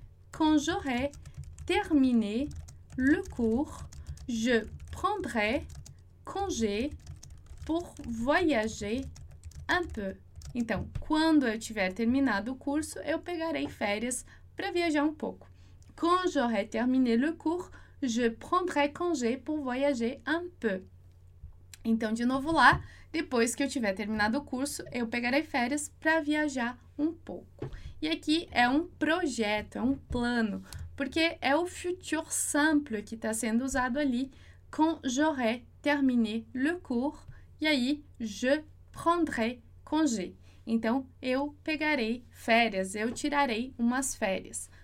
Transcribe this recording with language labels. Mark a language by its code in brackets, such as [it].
[fr] Quand j'aurai terminé le cours, je prendrai congé pour voyager un peu. [pt] Então, quando eu tiver terminado o curso, eu pegarei férias para viajar um pouco. [fr] Quand j'aurai terminé le cours, je prendrai congé pour voyager un peu. [pt] Então, de novo lá, depois que eu tiver terminado o curso, eu pegarei férias para viajar um pouco. E aqui é um projeto, é um plano, porque é o futur simple que está sendo usado ali. [fr] Quand j'aurai terminé le cours, e aí, je prendrai congé. [pt] Então, eu pegarei férias, eu tirarei umas férias.